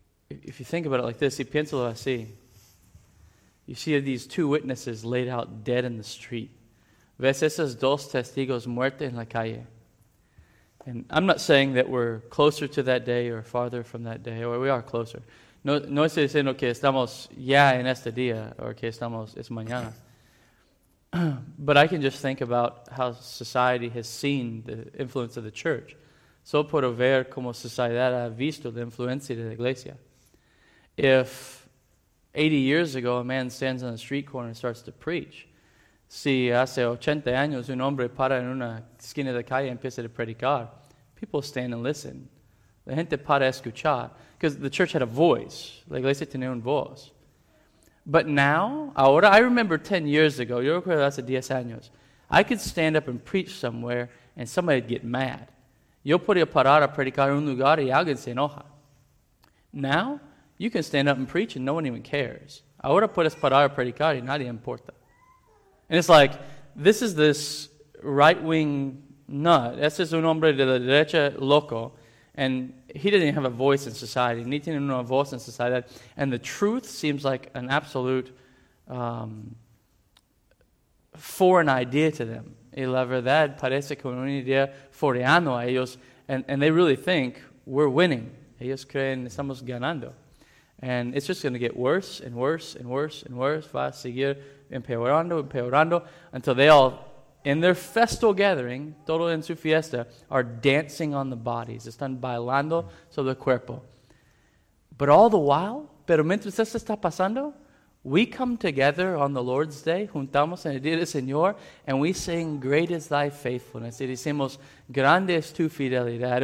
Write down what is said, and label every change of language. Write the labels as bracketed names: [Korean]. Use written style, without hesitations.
[English] If you think about it like this, [Spanish] y piénsalo así. [English] You see these two witnesses laid out dead in the street. [Spanish] Ves esos dos testigos muertos en la calle. [English] And I'm not saying that we're closer to that day or farther from that day, or we are closer. [Spanish] No estoy diciendo que estamos ya en este día or que estamos es mañana. [English] But I can just think about how society has seen the influence of the church. [Spanish] Solo puedo ver cómo sociedad ha visto la influencia de la iglesia. [English] If 80 years ago a man stands on the street corner and starts to preach, [Spanish] si hace 80 años un hombre para en una esquina de calle y empieza a predicar, [English] people stand and listen. [Spanish] La gente para escuchar, [English] because the church had a voice. [Spanish] La iglesia tenía un voz. [English] But now, [Spanish] ahora, [English] I remember 10 years ago, [Spanish] yo recuerdo hace 10 años, [English] I could stand up and preach somewhere and somebody would get mad. [Spanish] Yo podía parar a predicar en un lugar y alguien se enoja. [English] Now, you can stand up and preach and no one even cares. [Spanish] Ahora puedes parar a predicar y nadie importa. [English] And it's like, this is this right-wing nut. [Spanish] Este es un hombre de la derecha loco. [English] And he didn't have a voice in society. [Spanish] Ni tiene una voz en sociedad. [English] And the truth seems like an absolute foreign idea to them. [Spanish] Y la verdad parece como una idea foreano a ellos. [English] And they really think we're winning. [Spanish] Ellos creen estamos ganando. [English] And it's just going to get worse and worse and worse and worse. [Spanish] Va a seguir empeorando, empeorando, [English] until they all, in their festal gathering, [Spanish] todo en su fiesta, [English] are dancing on the bodies. [Spanish] Están bailando sobre el cuerpo. [English] But all the while, [Spanish] pero mientras esto está pasando, [English] we come together on the Lord's Day, [Spanish] juntamos en el Día del Señor, [English] and we sing, Great is Thy Faithfulness. [Spanish] Y decimos, Grande es tu fidelidad.